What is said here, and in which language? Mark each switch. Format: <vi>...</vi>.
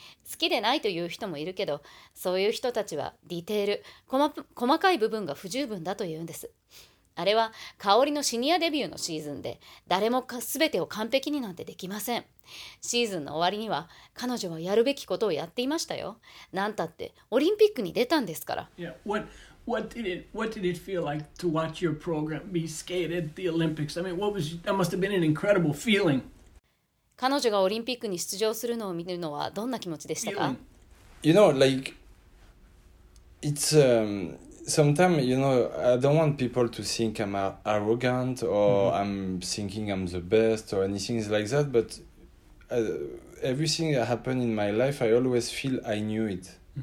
<ja>好きでないという人もいるけど、そういう人たちはディテール、細かい部分が不十分だというんです。あれは香りのシニアデビューのシーズンで、誰もか全てを完璧になんてできません。シーズンの終わりには彼女はやるべきことをやっていましたよ。なんたってオリンピックに出たんですから。</ja> <en>Yeah, what did it feel like to watch your program be skated at the Olympics? I mean, what was that must have been an incredible feeling.</en> <ja>彼女がオリンピックに出場するのを見るのはどんな気持ちでしたか？</ja> <en>You know, like, it's, sometimes, you know, I don't want people to think I'm arrogant or I'm thinking I'm the best or anything like that, but everything that happened in my life, I always feel I knew it.</en>